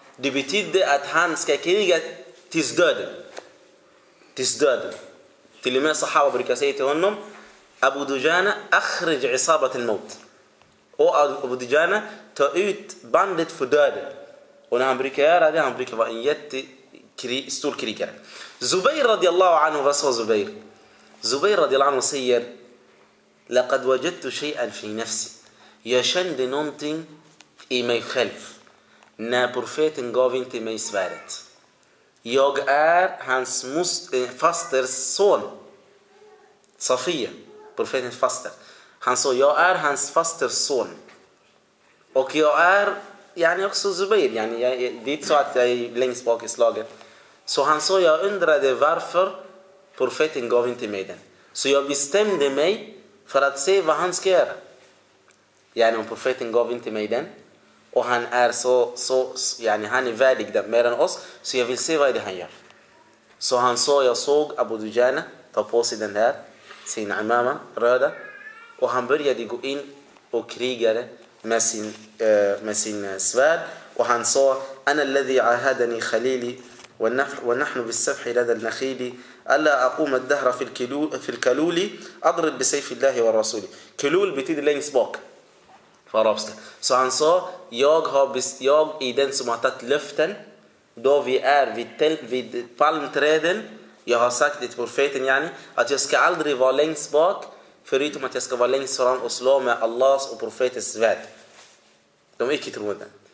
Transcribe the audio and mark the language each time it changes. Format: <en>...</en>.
<sv>Det betyder att han ska kriga tills döden. Tills döden. Till och med sahaba brukar säga till honom, Abu Dujana,</sv> <ar>akhrij isabat al-maut.</ar> <sv>Och Abu Dujana, ta ut bandet för döden. Och när han brukar göra det, han brukar vara en jätte... stor krigare. Zubair radiyallahu anhu, vad sa Zubair? Zubair radiyallahu anhu säger</sv> <ar>لقد وجدت شيئا في نفسي.</ar> <sv>Jag kände någonting i mig själv. När profeten gav inte mig svaret. Jag är hans fasters son. Safiya, profetens faster. Han sa, jag är hans fasters son. Och jag är yani också Zubair. Yani, det är inte så att jag är längst bak i slaget. Så han sa, jag undrade varför profeten gav inte mig den. Så jag bestämde mig för att se vad han ska göra. Yani om profeten gav inte mig den. Och han är så, han är värdig mer än oss. Så jag vill se vad det han gör. Så han sa, jag såg Abu Dujana ta på sig den här. Sin imama, röda. Och han började gå in och krigade med sin svärd. Och han sa,</sv> <ar>Ana alladhi ahadani khalili. ونحن بالسفح لدى النخيل ألا أقوم الدهر في الكلول أضرب بسيف الله والرسول كلول</ar> <sv>betyder längst bak på arabiska. Så han sa, jag i den som har tagit löften då vi är vid palmträden, jag har sagt till profeten yani, att jag ska aldrig vara längst bak förutom att jag ska vara längst fram och slå med Allahs och profetens svärd. De är inte troende.</sv>